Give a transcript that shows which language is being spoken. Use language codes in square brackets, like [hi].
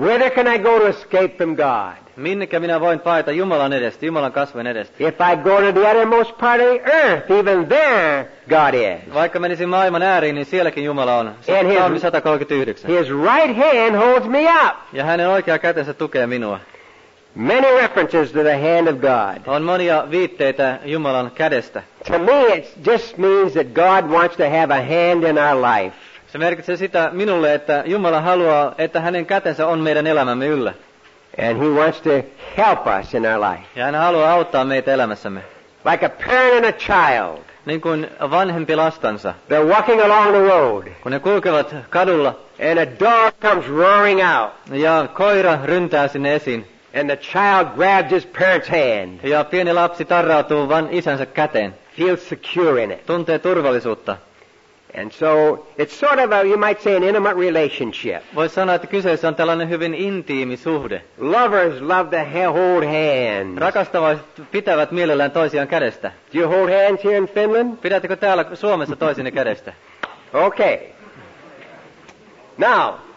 [en] Where can I go to escape from God? [fi] Minnekä minä voin paeta Jumalan edestä, Jumalan kasvojen edestä? [en] If I go to the uttermost part of the earth, even there God is. [fi] Vaikka menisin maailman ääriin, niin sielläkin Jumala on. Psalmi 139. [en] His right hand holds me up. [fi] Ja hänen oikea kätensä tukee minua. [en] Many references to the hand of God. [fi] On monia viitteitä Jumalan kädestä. [en] To me, it just means that God wants to have a hand in our life. [fi] Se merkitsee sitä minulle, että Jumala haluaa, että hänen kätensä on meidän elämämme yllä. [en] And he wants to help us in our life. [fi] Ja hän haluaa auttaa meitä elämässämme. [en] Like a parent and a child. [fi] Niin kuin vanhempi lastansa. [en] They're walking along the road. [fi] Kun ne kulkevat kadulla. [en] And a dog comes roaring out. [fi] Ja koira ryntää sinne esiin. [en] And the child grabs his parent's hand. [fi] Ja pieni lapsi tarrautuu vain isänsä käteen. [en] Feels secure in it. [fi] Tuntee turvallisuutta. [en] And so it's sort of a, you might say, an intimate relationship. [fi] Voi sanoa, että kyseessä on tällainen hyvin intiimi suhde. [en] Lovers love to hold hands. [fi] Rakastavaiset pitävät mielellään toisiaan kädestä. [en] Do you hold hands here in Finland? [fi] Pidättekö täällä Suomessa toisinne kädestä? [en] Okay. Now.